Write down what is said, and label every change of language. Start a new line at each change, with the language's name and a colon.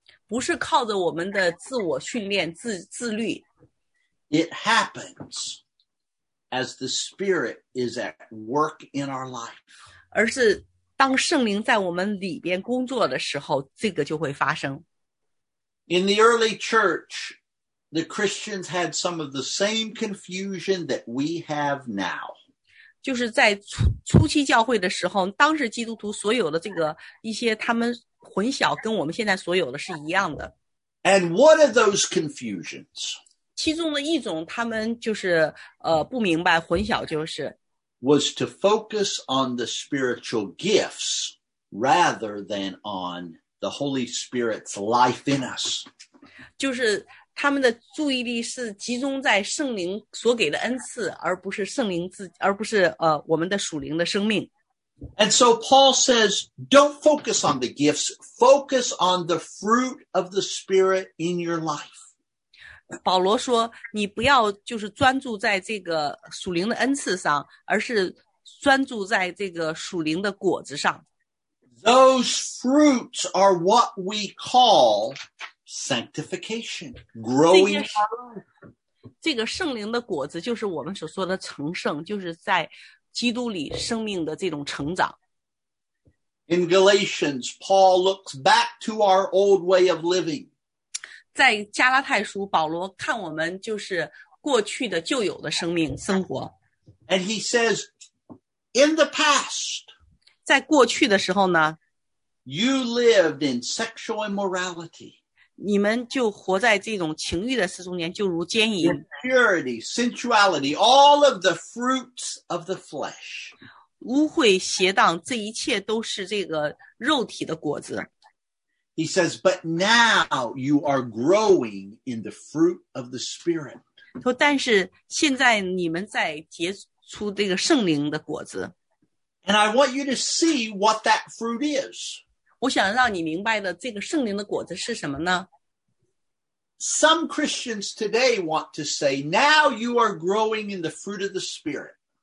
Chinese: 不是靠着我们的自我训练、自律。
English: It happens as the Spirit is at work in our life.
Chinese: 而是当圣灵在我们里边工作的时候，这个就会发生。
English: In the early church, the Christians had some of the same confusion that we have now.
Chinese: 就是在初期教会的时候，当时基督徒所有的这个一些他们混淆跟我们现在所有的是一样的。
English: And what are those confusions?
Chinese: 其中的一种他们就是不明白混淆就是。
English: Was to focus on the spiritual gifts rather than on the Holy Spirit's life in us.
Chinese: 就是他们的注意力是集中在圣灵所给的恩赐，而不是圣灵自，而不是我们的属灵的生命。
English: And so Paul says, don't focus on the gifts, focus on the fruit of the Spirit in your life.
Chinese: 保罗说，你不要就是专注在这个属灵的恩赐上，而是专注在这个属灵的果子上。
English: Those fruits are what we call sanctification, growing up.
Chinese: 这个圣灵的果子就是我们所说的成圣，就是在基督里生命的这种成长。
English: In Galatians, Paul looks back to our old way of living.
Chinese: 在加拉太书，保罗看我们就是过去的旧有的生命生活。
English: And he says, in the past,
Chinese: 在过去的时候呢，
English: you lived in sexual immorality.
Chinese: 你们就活在这种情欲的事中间，就如奸淫。
English: Impurity, sensuality, all of the fruits of the flesh.
Chinese: 污秽邪荡，这一切都是这个肉体的果子。
English: He says, but now you are growing in the fruit of the Spirit.
Chinese: 但是现在你们在结出这个圣灵的果子。
English: And I want you to see what that fruit is.
Chinese: 我想让你明白的这个圣灵的果子是什么呢？
English: Some Christians today want to say, now you are growing in the fruit of the Spirit.